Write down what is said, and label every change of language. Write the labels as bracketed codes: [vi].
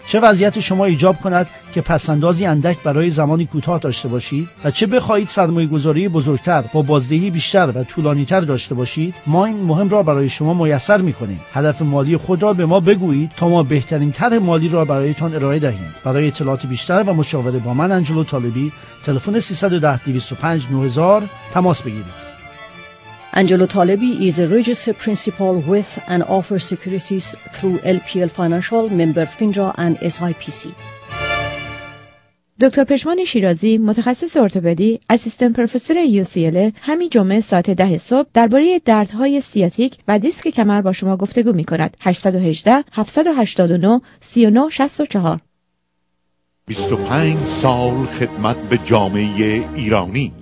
[fa] چه وضعیت شما ایجاب کند که پسندازی اندک برای زمانی کوتاه داشته باشید و چه بخواهید سرمایه‌گذاری بزرگتر با بازدهی بیشتر و طولانی‌تر داشته باشید، ما این مهم را برای شما میسر می‌کنیم. هدف مالی خود را به ما بگویید تا ما بهترین طرح مالی را برایتان ارائه دهیم. برای اطلاعات بیشتر و مشاوره با من آنجلو طالبی، تلفن 310-205-9000 تماس بگیرید. [en] Angelo Talebi is a registered principal with and offers securities through LPL Financial, member FINRA and SIPC. [fa] دکتر پشمان شیرازی، متخصص ارتوپدی، اسیستنت پروفسور UCLA، همین جمعه ساعت 10 صبح درباره دردهای سیاتیک و دیسک کمر با شما گفتگو می‌کند. 818 789 3964. 25 سال خدمت به جامعه ایرانی.